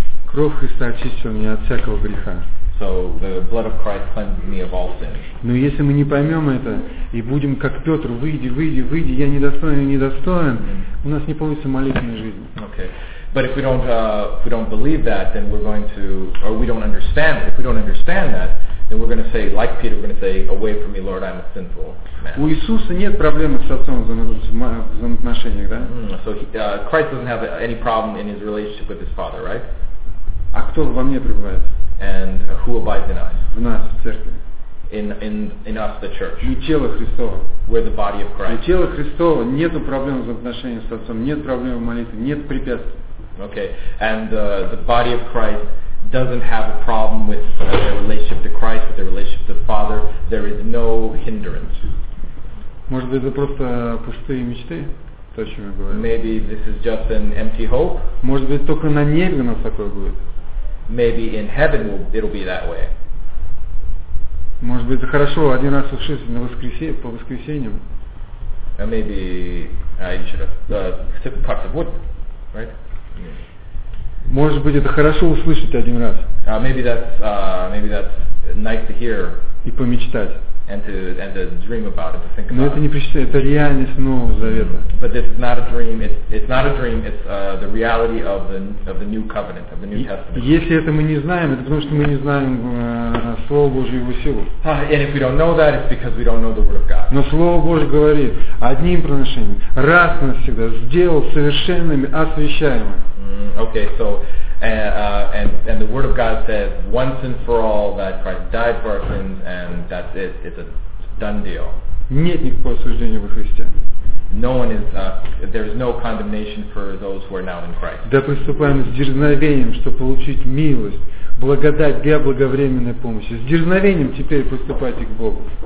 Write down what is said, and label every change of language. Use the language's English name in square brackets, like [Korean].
[Russian] Кровь Христа очистила меня от всякого греха. [English] So the blood of Christ cleansed me of all sin. [Russian] Но если мы не поймем это и будем как Петр, выйди, я недостоин, у нас не получится молитвенная жизнь. [English] Okay, but if we don't believe that, then we're going to, or we don't understand it. If we don't understand that, then we're going to say, like Peter, we're going to say, away from me, Lord, I'm a sinful man. [Russian] У Иисуса нет проблемы с Отцом в взаимоотношениях, да? [English] So Christ doesn't have any problem in his relationship with his Father, right? [Russian] А кто во мне пребывает? [English] And who abides in us? [Russian] В нас, в церкви. [English] In us, the church. [Russian] Мы тело Христово. [English] We're the body of Christ. [Russian] И тело Христово, нету проблем в отношениях с Отцом, нет проблем в молитве, нет препятствий. [English] Okay, and the body of Christ doesn't have a problem with their relationship to Christ, with their relationship to the Father. There is no hindrance. [Russian] Может быть, это просто пустые мечты? То, о чем я говорю. [English] Maybe this is just an empty hope. [Russian] Может быть, только на небе у нас такое будет? [English] Maybe in heaven it'll be that way. [Russian] Может быть, это хорошо один раз услышать на воскресенье по воскресеньям. [English] Maybe I should have cups of wood, right? [Russian] Может быть, это хорошо услышать один раз. [English] Maybe that's nice to hear. [Russian] И помечтать. [English] And to dream about it, to think about. [Russian] Но это не причитание, это реальность Нового Завета. [English] But this is not a dream. It's not a dream. It's the reality of the new covenant, of the new testament. [Russian] Если это мы не знаем, это потому что мы не знаем Слово Божие и его силу. [English] And if we don't know that, it's because we don't know the Word of God. [Russian] Но Слово Божие говорит одним приношением, раз и навсегда, сделал совершенными, освящаемыми. [English] Okay, so. And the Word of God says once and for all that Christ died for our sins and that's it. It's a done deal. [Russian] Нет никакого осуждения во Христе. [English] No one is. There is no condemnation for those who are now in Christ. [Russian] Да приступаем с дерзновением, чтобы получить милость, благодать для благовременной помощи. С дерзновением теперь приступайте к Богу.